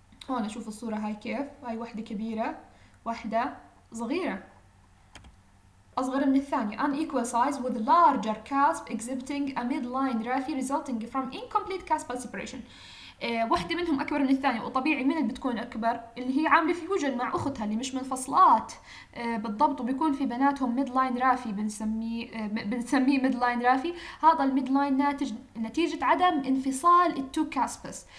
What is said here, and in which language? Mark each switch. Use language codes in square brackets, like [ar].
[ar] هون شوفوا الصورة هاي كيف، هاي واحدة كبيرة واحدة صغيرة، أصغر من الثانية. [en] Unequal size with larger cusp exhibiting a midline raphe resulting from incomplete cuspal separation. [ar] واحدة منهم أكبر من الثانية، وطبيعي من اللي بتكون أكبر اللي هي عاملة فيوجن مع أختها اللي مش منفصلات بالضبط، وبيكون في بناتهم midline raphe بنسميه midline raphe. هذا midline ناتج نتيجة عدم انفصال التو كاسبس.